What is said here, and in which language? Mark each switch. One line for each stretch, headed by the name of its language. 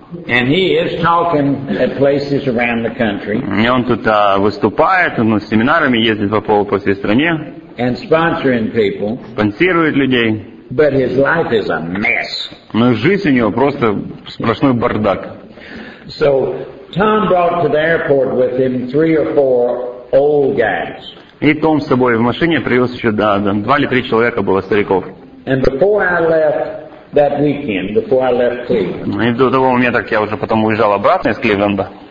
English: And he is talking at places around the country.
Russian: И он тут выступает, он с семинарами ездит по всей стране.
English: And sponsoring people.
Russian: Спонсирует людей.
English: But his life is a mess.
Russian: Но жизнь у него просто сплошной бардак.
English: So Tom brought to the airport with him three or four old guys.
Russian: И Том с собой в машине привез еще два или три человека было стариков.
English: And before I left that weekend, before I left Cleveland.
Russian: И до того момента, как я уже потом уезжал обратно из Кливленда.